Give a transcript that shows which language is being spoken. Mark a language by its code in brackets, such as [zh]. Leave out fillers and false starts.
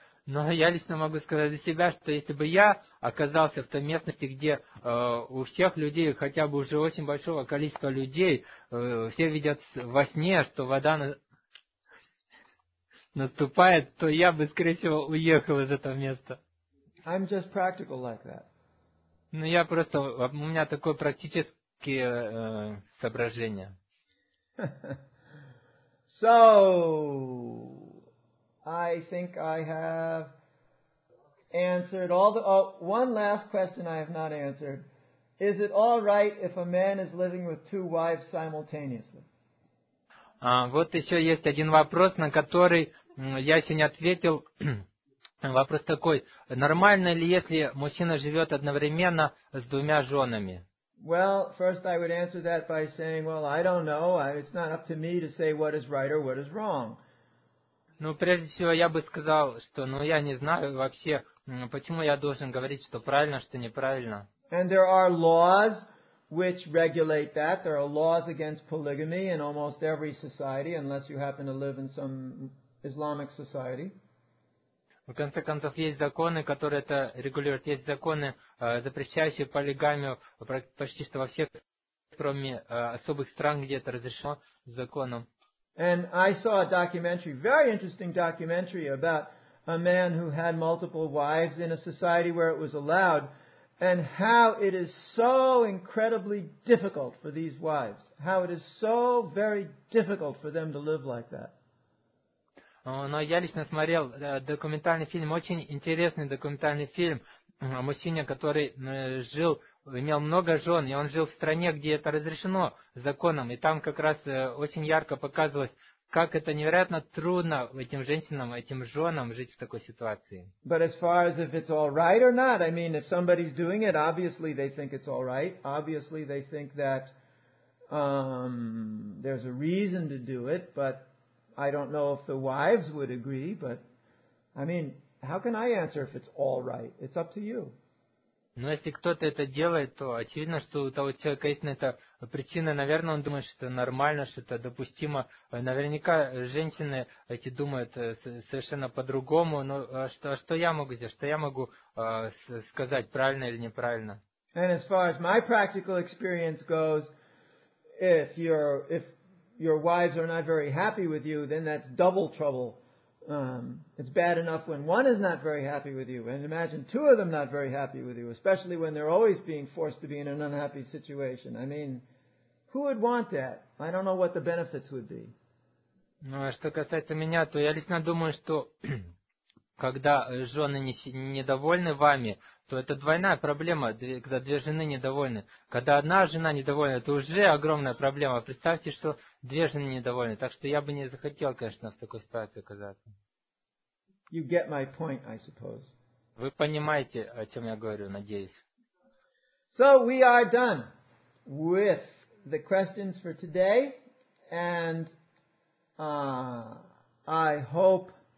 [ru] Но я лично могу сказать за себя, что если бы я оказался в той местности, где у всех людей, хотя бы уже очень большого количества людей, все видят во сне, что вода наступает, то я бы, скорее всего, уехал из этого места. [en] I'm just practical like that. [ru] Ну, я просто, у меня такое практическое соображение. [en] So, I think I have answered all the... Oh, one last question I have not answered. Is it all right if a man is living with two wives simultaneously? [ru] Вот еще есть один вопрос, на который я еще не ответил. Вопрос такой, нормально ли, если мужчина живет одновременно с двумя женами? [en] Well, first I would answer that by saying, well, I don't know, it's not up to me to say what is right or what is wrong. [ru] Ну, прежде всего, я бы сказал, что, ну, я не знаю вообще, почему я должен говорить, что правильно, что неправильно. [en] And there are laws which regulate that. There are laws against polygamy in almost every society, unless you happen to live in some Islamic society. [ru] В конце концов, есть законы, которые это регулируют. Есть законы, запрещающие полигамию почти что во всех, кроме особых стран, где это разрешено законом. [en] And I saw a documentary, very interesting documentary, about a man who had multiple wives in a society where it was allowed, and how it is so incredibly difficult for these wives, how it is so very difficult for them to live like that. [ru] Но я лично смотрел документальный фильм, очень интересный документальный фильм о мужчине, который жил, имел много жен, и он жил в стране, где это разрешено законом. И там как раз очень ярко показывалось, как это невероятно трудно этим женщинам, этим женам жить в такой ситуации. [en] But as far as if it's all right or not, I mean, if somebody's doing it, obviously they think it's all right. Obviously they think that there's a reason to do it, but I don't know if the wives would agree, but I mean, how can I answer if it's all right? It's up to you. [ru] Но если кто-то это делает, то очевидно, что у того человека есть на это причина. Наверное, он думает, что это нормально, что это допустимо. Наверняка женщины эти думают совершенно по-другому. Но что я могу сделать? Что я могу сказать, правильно или неправильно? [en] And as far as my practical experience goes, if your wives are not very happy with you, then that's double trouble. It's bad enough when one is not very happy with you, and imagine two of them not very happy with you, especially when they're always being forced to be in an unhappy situation. I mean, who would want that? I don't know what the benefits would be. [ru] Ну, а что касается меня, то я лично думаю, что когда жены недовольны вами, то это двойная проблема, когда две жены недовольны. Когда одна жена недовольна, это уже огромная проблема. Представьте, что две жены недовольны. Так что я бы не захотел, конечно, в такой ситуации оказаться. [en] You get my point, I suppose. [ru] Вы понимаете, о чем я говорю, надеюсь. [en] So we are done with the questions for today. And I hope...